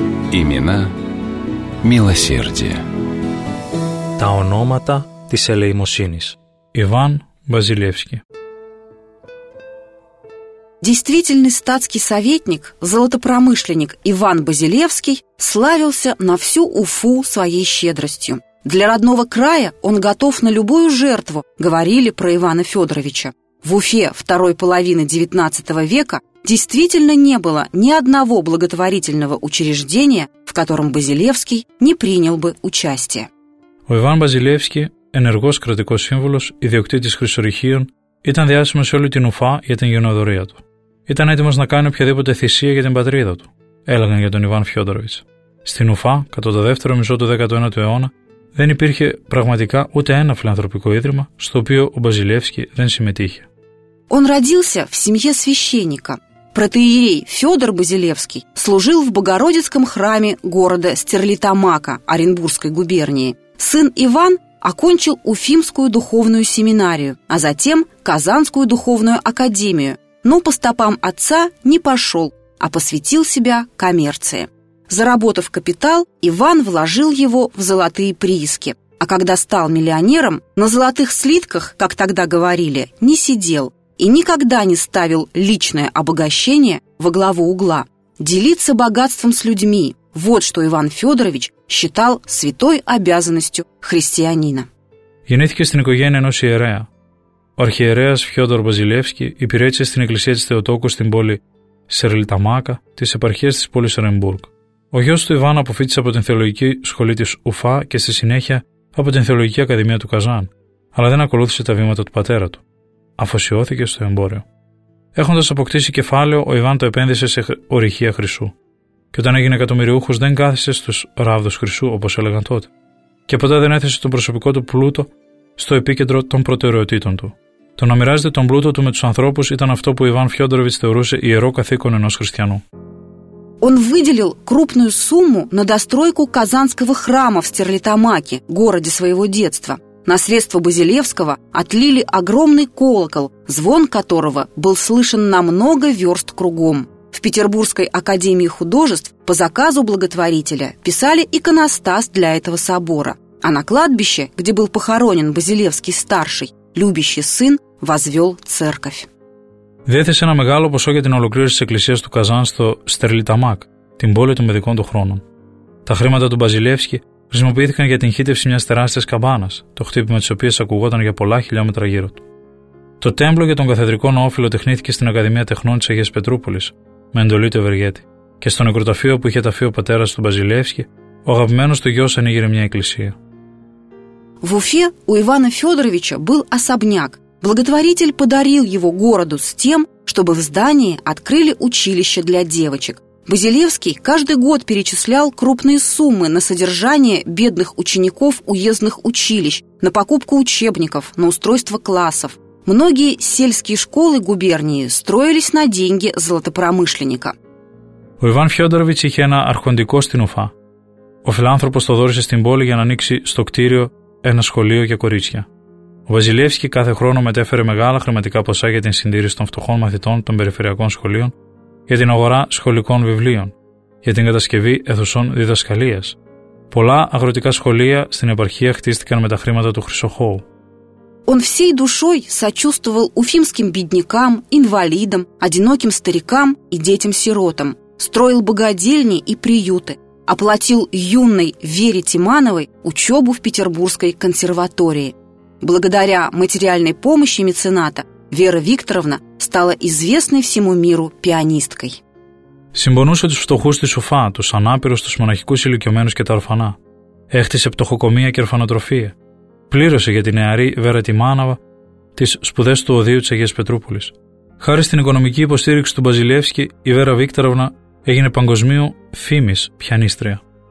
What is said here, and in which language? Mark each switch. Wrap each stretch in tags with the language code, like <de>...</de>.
<ru>Имена милосердия.</ru> <el>Τα ονόματα της ελεημοσύνης.</el> <ru>Иван Базилевский. Действительный статский советник, золотопромышленник Иван Базилевский славился на всю Уфу своей щедростью. Для родного края он готов на любую жертву, говорили про Ивана Федоровича. В Уфе второй половины XIX века действительно не было ни одного благотворительного учреждения, в котором Базилевский не принял бы участие.</ru> <el>Ο Иван Базилевский, ενεργός κρατικός σύμβουλος, ιδιοκτήτης Χρυσορυχίων, ήταν διάσημος σε όλη την Ουφά για την γενναιοδωρία του. Ήταν έτοιμος να κάνει οποιαδήποτε θυσία για την πατρίδα του, έλεγαν για τον Ιβάν Φιόντοροβιτς. Στην Ουφά, κατά το δεύτερο μισό του 19ου αιώνα, δεν υπήρχε πραγματικά ούτε ένα φιλανθρωπικό ίδρυμα, στο οποίο ο Базилевский δεν συμμετείχε.</el> <ru>Он родился в семье священника. Протоиерей Федор Базилевский служил в Богородицком храме города Стерлитамака Оренбургской губернии. Сын Иван окончил Уфимскую духовную семинарию, а затем Казанскую духовную академию, но по стопам отца не пошел, а посвятил себя коммерции. Заработав капитал, Иван вложил его в золотые прииски. А когда стал миллионером, на золотых слитках, как тогда говорили, не сидел и никогда не ставил личное обогащение во главу угла. Делиться богатством с людьми – вот что Иван Федорович считал святой обязанностью христианина.</ru> <el>Γεννήθηκε στην οικογένεια ενός ιερέα. Ο αρχιερέας Φιόδωρ Базилевский υπηρέτησε στην εκκλησία της Θεοτόκου στην πόλη Στερλιταμάκα της επαρχίας της πόλης Ορενμπούργκ. Ο γιος του Ιβάν αποφύτησε από την θεολογική σχολή της Ουφά και στη συνέχεια από την θεολογική ακαδημία του Καζάν, αλλά δεν ακολούθησε τα βήματα του πατέρα του. Αφοσιώθηκε στο εμπόριο. Έχοντας αποκτήσει κεφάλαιο, ο Ιβάν το επένδυσε σε ορυχεία χρυσού. Και όταν έγινε εκατομμυριούχος, δεν κάθισε στους ράβδους χρυσού, όπως έλεγαν τότε. Και ποτέ δεν έθεσε τον προσωπικό του πλούτο στο επίκεντρο των προτεραιοτήτων του. Το να μοιράζεται τον πλούτο του με τους ανθρώπους ήταν αυτό που Ιβάν Φιόντοροβιτς θεωρούσε ιερό καθήκον ενός χριστιανού.</el> <ru>Он выделил крупную сумму на достройку Казанского храма в Стерлитамаке, городе своего детства. На средства Базилевского отлили огромный колокол, звон которого был слышен на много верст кругом. В Петербургской академии художеств по заказу благотворителя писали иконостас для этого собора. А на кладбище, где был похоронен Базилевский-старший, любящий сын возвел церковь.</ru> <el>Διέθεσε ένα μεγάλο ποσό για την ολοκλήρωση της εκκλησίας του Καζάν στο Στερλιταμάκ, την πόλη των παιδικών του χρόνων. Τα χρήματα του Базилевский χρησιμοποιήθηκαν για την χύτευση μιας τεράστιας καμπάνας, το χτύπημα της οποίας ακουγόταν για πολλά χιλιόμετρα γύρω του. Το τέμπλο για τον καθεδρικό νεόφυλλο τεχνήθηκε στην Ακαδημία Τεχνών της Αγίας Πετρούπολης, με εντολή του Ευεργέτη, και στο νεκροταφείο που είχε ταφεί ο πατέρας του Базилевский, ο αγαπημένος του γιος ανήγειρε μια εκκλησία.</el> <ru>В Уфе у Ивана Федоровича был особняк. Благотворитель подарил его городу с тем, чтобы в здании открыли училище для девочек. Базилевский каждый год перечислял крупные суммы на содержание бедных учеников уездных училищ, на покупку учебников, на устройство классов. Многие сельские школы губернии строились на деньги золотопромышленника. У Ивана Федоровича</ru> <el>είχε ένα αρχοντικό στην Ουφά. Ο φιλάνθρωπος το δώρησε στην πόλη για να ανοίξει στο κτίριο ένα σχολείο για κορίτσια. Ο Базилевский κάθε χρόνο μετέφερε μεγάλα χρηματικά ποσά για την συντήρηση των φτωχών μαθητών των περιφερειακών σχολείων, για την αγορά σχολικών βιβλίων, για την κατασκευή αιθουσών διδασκαλίας. Πολλά αγροτικά σχολεία στην επαρχία χτίστηκαν με τα χρήματα του χρυσοχώου.</el> <ru>Он всей душой сочувствовал уфимским беднякам, инвалидам, одиноким старикам и детям-сиротам. Строил богадельни и приюты. Оплатил юной Вере Тимановой учебу в Петербургской консерватории. Благодаря материальной помощи мецената Вера Викторовна стала известной всему миру пианисткой.</ru> <el>Συμπονούσε τους φτωχούς της Ουφά, τους ανάπηρους, τους μοναχικούς ηλικιωμένους και τα ορφανά. Έχτισε πτωχοκομεία και ορφανοτροφία. Πλήρωσε για την νεαρή Βέρα Τιμάναβα τις σπουδές του οδείου της Αγίας Πετρούπολης. Χάρη στην οικονομική υποστήριξη του Базилевский, η Βέρα Βίκτοροβνα έγινε παγκοσμίου φήμης πιανίστρια.</el>